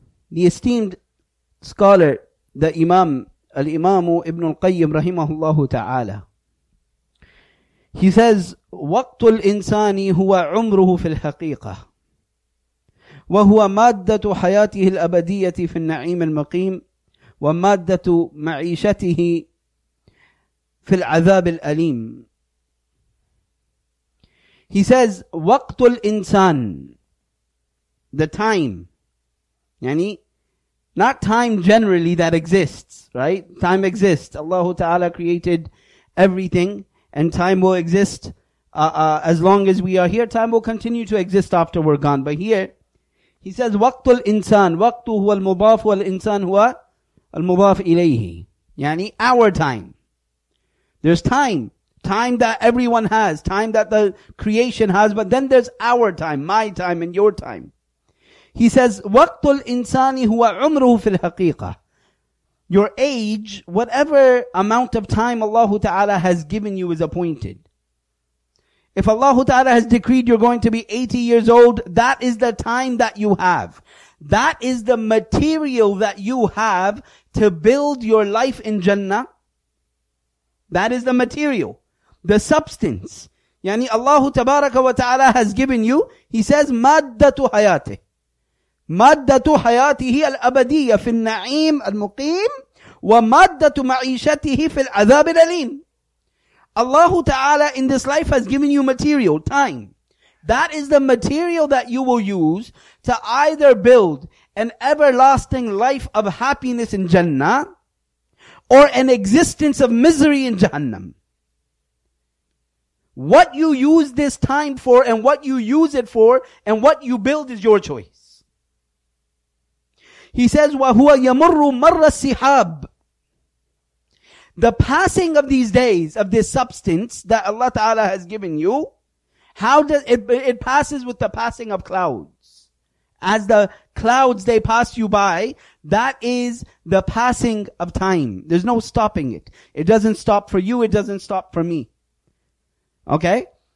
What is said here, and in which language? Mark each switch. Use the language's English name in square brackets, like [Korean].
[English] The esteemed scholar, the Imam, Al-Imamu Ibn Al-Qayyim rahimahullahu ta'ala, he says, [Arabic] وَقْتُ الْإِنسَانِ هُوَ عُمْرُهُ فِي الْحَقِيقَةِ وَهُوَ مَادَّةُ حَيَاتِهِ الْأَبَدِيَّةِ فِي النَّعِيمِ الْمَقِيمِ وَمَادَّةُ مَعِيشَتِهِ فِي الْعَذَابِ الْأَلِيمِ. [English] He says, [Arabic] وَقْتُ الْإِنسَانِ, [English] the time, يعني, not time generally that exists, right? Time exists. Allah Ta'ala created everything, and time will exist as long as we are here. Time will continue to exist after we're gone. But here, he says, [Arabic] وَقْتُ الْإِنسَانِ وَقْتُ هُوَ الْمُضَافُ وَالْإِنسَانِ هُوَ الْمُضَافُ إِلَيْهِ. [English] يعني our time. There's time. Time that everyone has. Time that the creation has. But then there's our time. My time and your time. He says, [Arabic] وَقْتُ الْإِنسَانِ هُوَ عُمْرُهُ فِي الْحَقِيقَةِ. [English] Your age, whatever amount of time Allah Ta'ala has given you is appointed. If Allah Ta'ala has decreed you're going to be 80 years old, that is the time that you have. That is the material that you have to build your life in Jannah. That is the material, the substance. Yani Allah Tabaraka wa Ta'ala has given you, He says, [Arabic] maddatu hayati. مادة حياته الأبدية في النعيم المقيم ومادة معيشته في العذاب الأليم. [English] Allah Ta'ala in this life has given you material, time. That is the material that you will use to either build an everlasting life of happiness in Jannah or an existence of misery in Jahannam. What you use this time for and what you use it for and what you build is your choice. He says, [Arabic] وَهُوَ يَمُرُّ مَرَّ السِّحَابِ. [English] The passing of these days, of this substance that Allah Ta'ala has given you, how does it passes with the passing of clouds. As the clouds, they pass you by, that is the passing of time. There's no stopping it. It doesn't stop for you, it doesn't stop for me. Okay?